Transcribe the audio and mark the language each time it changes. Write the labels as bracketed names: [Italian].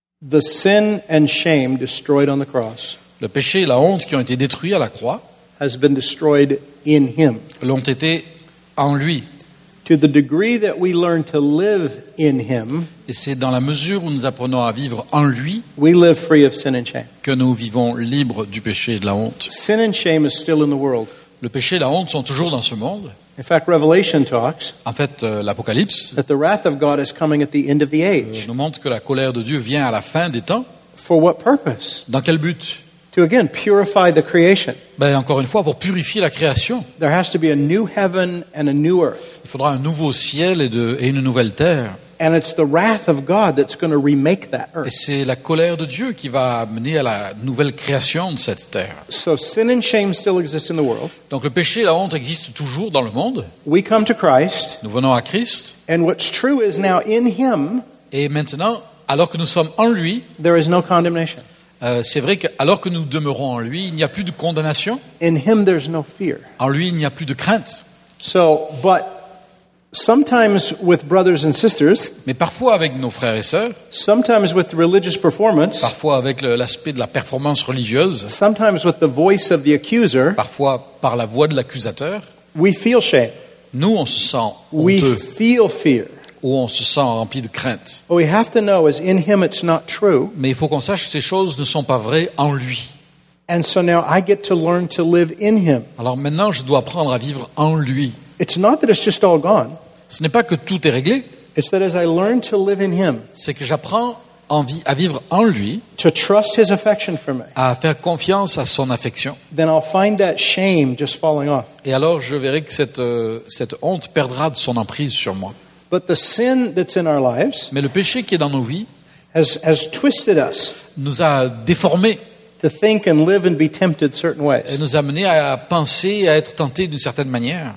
[English] The sin and shame destroyed on the cross. [French] Le péché et la honte qui ont été détruits à la croix [English] has been destroyed in him. [French] L'ont été en lui. [English] To the degree that we learn to live in him, [French] et c'est dans la mesure où nous apprenons à vivre en lui, [English] we live free of sin and shame. [French] Que nous vivons libres du péché et de la honte. [English] Sin and shame is still in the world. [French] Le péché et la honte sont toujours dans ce monde. [English] In fact, Revelation talks, [French] en fait, l'Apocalypse, [English] that the wrath of God is coming at the end of the age. [French] Nous montre que la colère de Dieu vient à la fin des temps. [English] For what purpose? [French] Dans quel but? [English] To again purify the creation. [French] Ben, encore une fois, pour purifier la création. [English] There has to be a new heaven and a new earth. [French] Il faudra un nouveau ciel et une nouvelle terre. [English] And it's the wrath of God that's going to remake that earth. [French] Et c'est la colère de Dieu qui va amener à la nouvelle création de cette terre. [English] So sin and shame still exist in the world. [French] Donc le péché et la honte existent toujours dans le monde. [English] We come to Christ. [French] Nous venons à Christ. [English] And what's true is now in him. [French] Et maintenant, alors que nous sommes en lui, [English] there is no condemnation. [French] C'est vrai qu'alors que nous demeurons en lui, il n'y a plus de condamnation. [English] In him there's no fear. [French] En lui, il n'y a plus de crainte. [English] So, but sometimes with brothers and sisters, [French] mais parfois avec nos frères et sœurs, [English] sometimes with religious performance, [French] parfois avec l'aspect de la performance religieuse, [English] sometimes with the voice of the accuser, [French] parfois par la voix de l'accusateur, [English] we feel shame. [French] Nous on se sent [English] honteux. We feel fear. [French] Où on se sent rempli de crainte. [English] We have to know, as in him it's not true. [French] Mais il faut qu'on sache que ces choses ne sont pas vraies en lui. [English] And so now I get to learn to live in him. [French] Alors maintenant, je dois apprendre à vivre en lui. [English] It's not that it's just all gone. [French] Ce n'est pas que tout est réglé. [English] It's that as I learn to live in him, [French] c'est que j'apprends à vivre en lui, [English] to trust his affection for me, [French] à faire confiance à son affection. [English] Then I'll find that shame just falling off. [French] Et alors, je verrai que cette honte perdra de son emprise sur moi. [English] But the sin that's in our lives, [French] mais le péché qui est dans nos vies, [English] has twisted us, [French] nous a déformés, [English] to think and live and be tempted certain ways, [French] et nous a menés à penser et à être tentés d'une certaine manière.